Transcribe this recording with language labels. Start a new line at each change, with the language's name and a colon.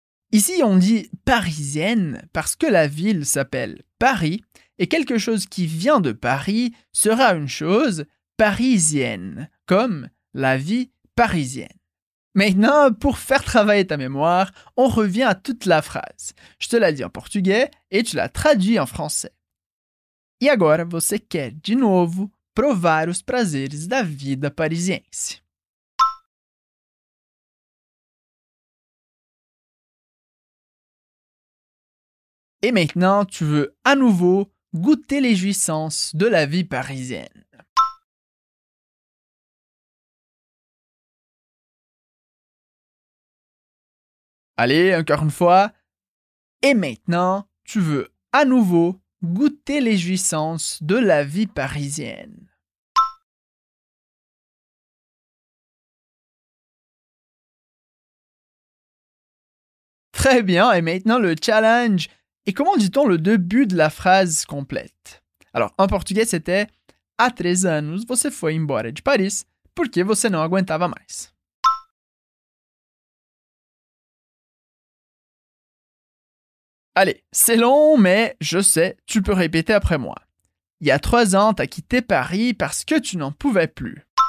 French: Ici, on dit « parisienne » parce que la ville s'appelle Paris et quelque chose qui vient de Paris sera une chose parisienne, comme la vie parisienne. Maintenant, pour faire travailler ta mémoire, on revient à toute la phrase. Je te la dis en portugais et tu la traduis en français.
Portuguese: E agora você quer de novo provar os prazeres da vida parisiense.
French: Et maintenant, tu veux à nouveau goûter les jouissances de la vie parisienne. Allez, encore une fois. Et maintenant, tu veux à nouveau goûter les jouissances de la vie parisienne. Très bien, et maintenant le challenge. Et comment dit-on le début de la phrase complète? Alors, en portugais, c'était «
Portuguese: Há 3 anos você foi embora de Paris porque você não aguentava mais ».
French: Allez, c'est long, mais je sais, tu peux répéter après moi. Il y a 3 ans, t'as quitté Paris parce que tu n'en pouvais plus.